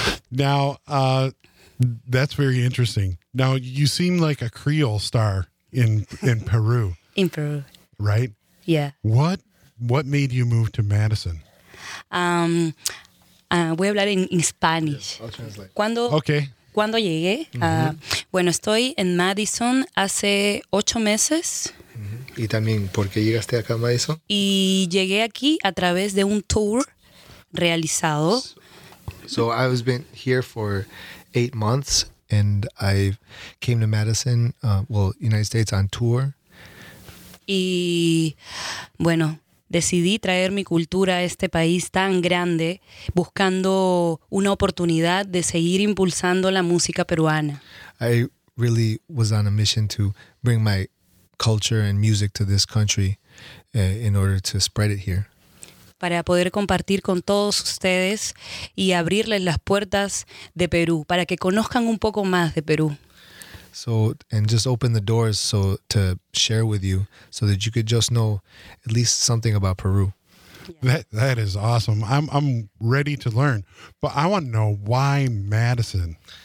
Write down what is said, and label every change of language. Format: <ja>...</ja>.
<en>Now, that's very interesting. Now, you seem like a Creole star in Peru. In Peru. Right? Yeah. What made you move to Madison?</en> <es>Voy a hablar en Spanish.</es> <en>Yeah, I'll translate.</en> <es>Cuando llegué, bueno, estoy en Madison hace 8 meses. Mm-hmm. ¿Y también por qué llegaste acá a Madison? Y llegué aquí a través de un tour realizado.</es> <en>So I've been here for 8 months and I came to Madison, United States on tour.</en> <es>Y bueno, decidí traer mi cultura a este país tan grande, buscando una oportunidad de seguir impulsando la música peruana.</es> <en>I really was on a mission to bring my culture and music to this country in order to spread it here.</en> <es>Para poder compartir con todos ustedes y abrirles las puertas de Perú, para que conozcan un poco más de Perú.</es> <en>So, and just open the doors so to share with you so that you could just know at least something about Peru. Yeah. That is awesome. I'm ready to learn. But I want to know, why Madison?</en>